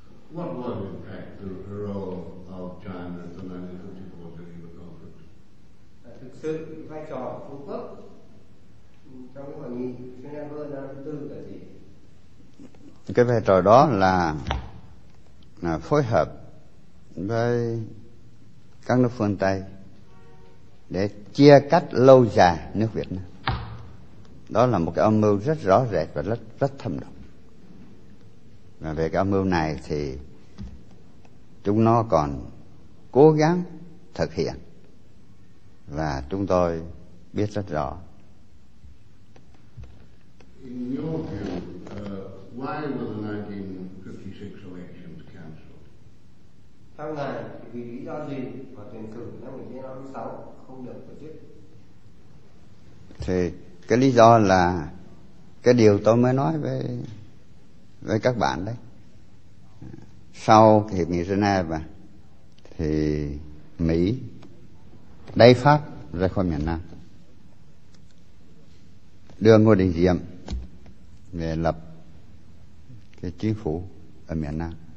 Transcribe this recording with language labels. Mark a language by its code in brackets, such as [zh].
[en] What was in fact the role of China at the 1954 Geneva Conference? [vi] Thực sự vai trò của Trung Quốc trong hội nghị Geneva năm 1954 là gì? Cái vai trò đó là phối hợp với các nước phương Tây để chia cắt lâu dài nước Việt Nam. Đó là một cái âm mưu rất rõ rệt và rất rất thâm độc. Và về cái âm mưu này thì chúng nó còn cố gắng thực hiện, và chúng tôi biết rất rõ [en] In your view, why were the 1956 elections cancelled? [vi] Theo ngài, vì lý do gì mà tuyển cử năm 1956 không được tổ chức? Thì cái lý do là cái điều tôi mới nói với các bạn đấy. Sau Hiệp nghị Geneva thì Mỹ đẩy Pháp ra khỏi miền Nam, đưa Ngô Đình Diệm về lập cái chính phủ ở miền Nam.